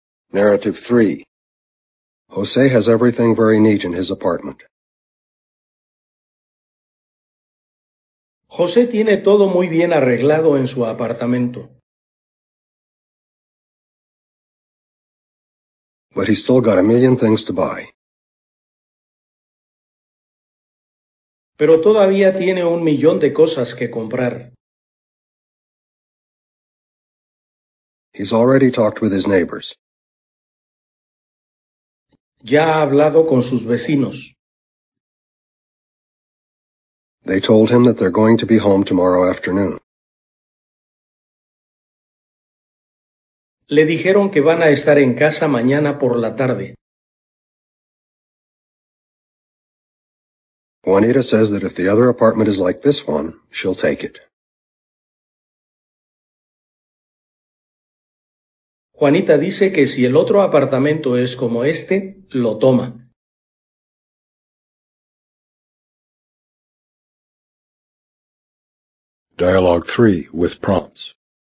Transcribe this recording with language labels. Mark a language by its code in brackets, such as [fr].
[en] Narrative 3. Jose has everything very neat in his apartment. [es] José tiene todo muy bien arreglado en su apartamento. [en] But he's still got a million things to buy. [es] Pero todavía tiene un millón de cosas que comprar. [en] He's already talked with his neighbors. [es] Ya ha hablado con sus vecinos. [en] They told him that they're going to be home tomorrow afternoon. [es] Le dijeron que van a estar en casa mañana por la tarde. [en] Juanita says that if the other apartment is like this one, she'll take it. [es] Juanita dice que si el otro apartamento es como este, lo toma. [en] Dialogue 3 with prompts.